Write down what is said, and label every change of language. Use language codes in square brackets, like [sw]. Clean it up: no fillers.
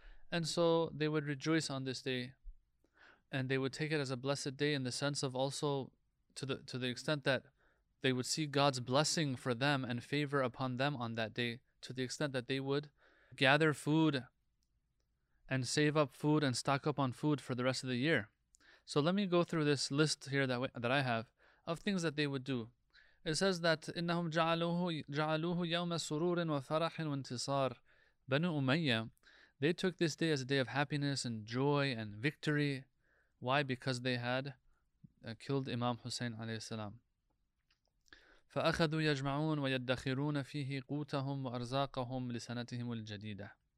[en] And so they would rejoice on this day. And they would take it as a blessed day in the sense of also to the extent that they would see God's blessing for them and favor upon them on that day, to the extent that they would gather food and save up food and stock up on food for the rest of the year. So let me go through this list here that I have of things that they would do. [ar] It says that إِنَّهُمْ جَعَلُوهُ يَوْمَ سُرُورٍ وَفَرَحٍ وَانْتِصَارٍ. [en] Banu Umayyah, they took this day as a day of happiness and joy and victory. Why? Because they had killed Imam Hussein alayhi salam. [ar] فَأَخَذُوا يَجْمَعُونَ وَيَدَّخِرُونَ فِيهِ قُوتَهُمْ وَأَرْزَاقَهُمْ لِسَنَتِهِمُ الْجَدِيدَةِ.